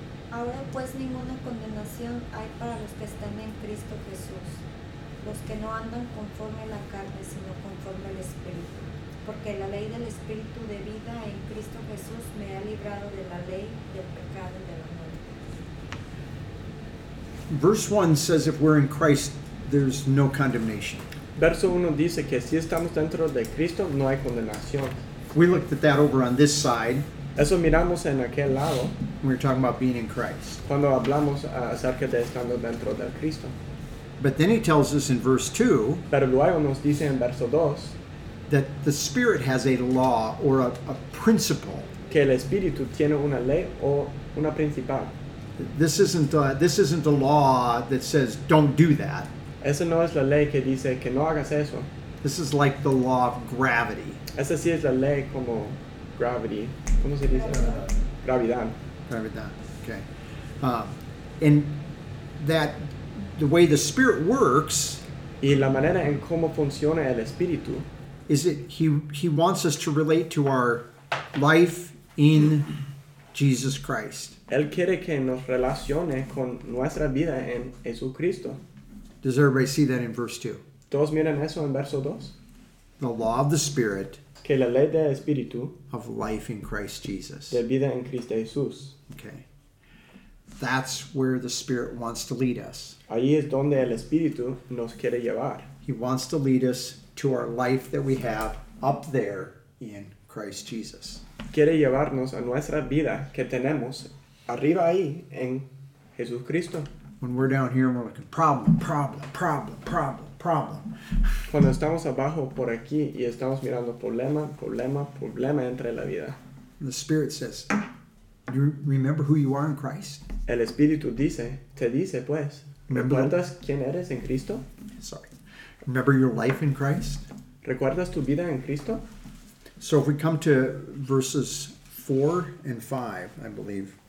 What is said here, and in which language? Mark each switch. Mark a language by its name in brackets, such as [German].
[Spanish] Ahora pues ninguna condenación hay para los que están en Cristo Jesús. Los que no andan conforme a la carne, sino conforme al Espíritu. Porque la ley del Espíritu de vida en Cristo Jesús me ha librado de la ley del pecado y de la muerte. [English] Verse 1 says if we're in Christ, there's no condemnation. [Spanish] Verso 1 dice que si estamos dentro de Cristo, no hay condenación. [English] We looked at that over on this side. [Spanish] Eso miramos en aquel lado. [English] We were talking about being in Christ. [Spanish] Cuando hablamos acerca de estando dentro del Cristo. [English] But then he tells us in verse 2. [Spanish] Pero luego nos dice en verso 2. [English] That the Spirit has a law or a principle. [Spanish] Que el Espíritu tiene una ley o una principal. [English] This isn't a law that says don't do that. [Spanish] Esa no es la ley que dice que no hagas eso. [English] This is like the law of gravity. [Spanish] Esa sí es la ley como gravity. ¿Cómo se dice? Gravidad. [English] Gravidad. Okay. And that the way the Spirit works. [Spanish] Y la manera en cómo funciona el Espíritu. [English] Is it he wants us to relate to our life in Jesus Christ. [Spanish] Él quiere que nos relacione con nuestra vida en Jesucristo. [English] Does everybody see that in verse 2? [Spanish] ¿Todos miran eso en verso 2? [English] The law of the Spirit. [Spanish] Que la ley del Espíritu. [English] Of life in Christ Jesus. [Spanish] De vida en Cristo Jesús. [English] Okay. That's where the Spirit wants to lead us. [Spanish] Ahí es donde el Espíritu nos quiere llevar. [English] He wants to lead us to our life that we have up there in Christ Jesus. [Spanish] Quiere llevarnos a nuestra vida que tenemos arriba ahí en Jesucristo. [English] When we're down here and we're looking, problem, problem, problem, problem, problem. [Spanish] Cuando estamos abajo por aquí y estamos mirando problema, problema, problema entre la vida. [English] The Spirit says, you remember who you are in Christ? [Spanish] El Espíritu dice, te dice pues, ¿recuerdas quién eres en Cristo? [English] Sorry. Remember your life in Christ? [Spanish] ¿Recuerdas tu vida en Cristo? [English] So if we come to verses 4 and 5, I believe.